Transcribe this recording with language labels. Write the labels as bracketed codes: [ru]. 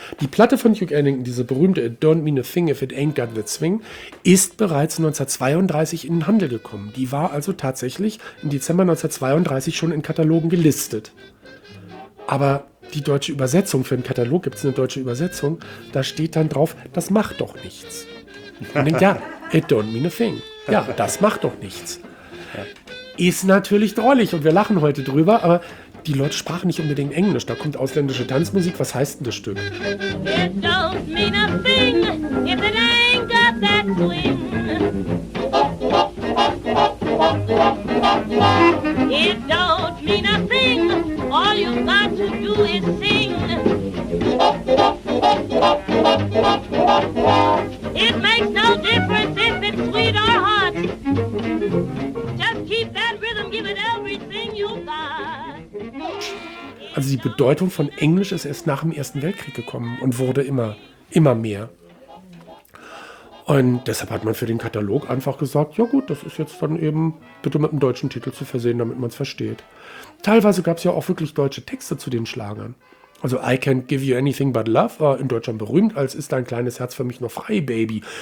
[de] Die Platte von Duke Ellington, diese berühmte It Don't Mean a Thing If It Ain't Got the Swing, ist bereits 1932 in den Handel gekommen. Die war also tatsächlich im Dezember 1932 schon in Katalogen gelistet. Aber die deutsche Übersetzung, für den Katalog gibt es eine deutsche Übersetzung, da steht dann drauf, das macht doch nichts. Man denkt, ja, [en] it don't mean a thing. [de] Ja, das macht doch nichts. Ist natürlich drollig und wir lachen heute drüber, aber die Leute sprachen nicht unbedingt Englisch. Da kommt ausländische Tanzmusik, was heißt denn das Stück? [en] It don't mean a thing if it ain't got that swing. It don't mean a thing, all you got to do is sing. It makes no difference if it's sweet or hot. Just keep that rhythm, give it everything you've got. [de] Also die Bedeutung von Englisch ist erst nach dem Ersten Weltkrieg gekommen und wurde immer mehr. Und deshalb hat man für den Katalog einfach gesagt, ja gut, das ist jetzt dann eben bitte mit einem deutschen Titel zu versehen, damit man es versteht. Teilweise gab es ja auch wirklich deutsche Texte zu den Schlagern. Also I Can't Give You Anything But Love war in Deutschland berühmt, als Ist Dein Kleines Herz Für Mich Noch Frei, Baby.